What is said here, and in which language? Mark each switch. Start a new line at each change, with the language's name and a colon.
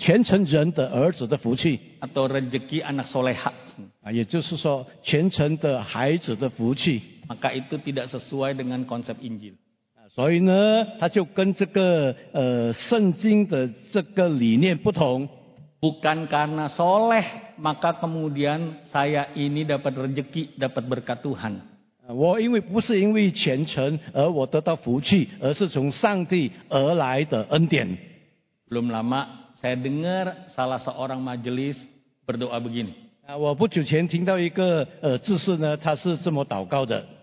Chinese: Dia说就是这个很虔诚的人的儿子，就是虔诚人的儿子的福气.
Indonesian: Atau rezeki anak soleha.
Chinese: 也就是说虔诚的孩子的福气.
Indonesian: Maka itu tidak sesuai dengan konsep Injil.
Chinese: 所以呢，他就跟这个圣经的这个理念不同.
Indonesian: Bukan karena soleh maka kemudian saya ini dapat rezeki, dapat berkat Tuhan.
Chinese: 我因为不是因为虔诚而我得到福气，而是从上帝而来的恩典。
Indonesian: Belum lama saya dengar salah seorang majelis berdoa begini.
Chinese: 我不久前听到一个执事呢，他是这么祷告的。